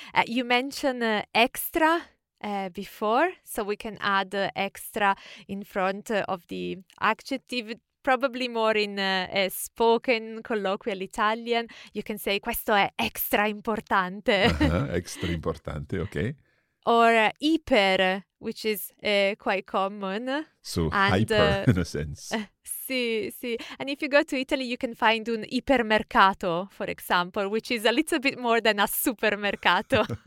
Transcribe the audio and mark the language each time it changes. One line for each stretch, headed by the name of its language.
English: You mentioned extra before, so we can add extra in front of the adjective, probably more in spoken colloquial Italian. You can say
Italian: questo è extra importante.
English: Extra importante, okay. Or iper, which is quite common. So and, hyper, in a sense. Sì. And if you go to Italy, you can find
Italian: un ipermercato,
English: for example, which is a little bit more than a supermercato.